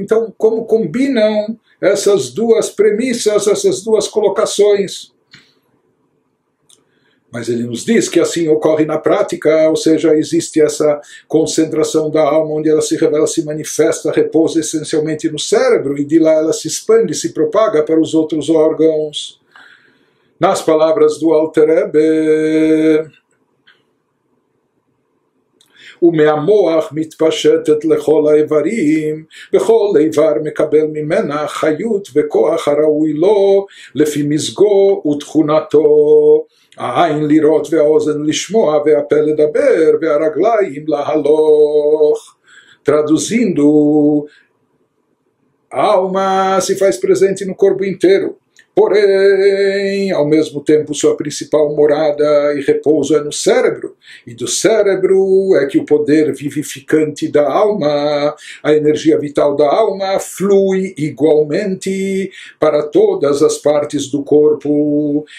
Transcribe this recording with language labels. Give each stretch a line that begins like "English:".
Portuguese: Então, como combinam essas duas premissas, essas duas colocações? Mas ele nos diz que assim ocorre na prática, ou seja, existe essa concentração da alma, onde ela se revela, se manifesta, repousa essencialmente no cérebro, e de lá ela se expande, se propaga para os outros órgãos. Nas palavras do Alter Rebbe,
Hebrew: ומהמוח מתפשטת לכל האיברים, וכל איבר מקבל ממנה חיות וכוח הראוי לו לפי מזגו ותכונתו. העין לראות והאוזן לשמוע והפה לדבר והרגליים להלוך.
Portuguese: Traduzindo, a alma se faz presente no corpo inteiro. Porém, ao mesmo tempo, sua principal morada e repouso é no cérebro. E do cérebro é que o poder vivificante da alma, a energia vital da alma, flui igualmente para todas as partes do corpo.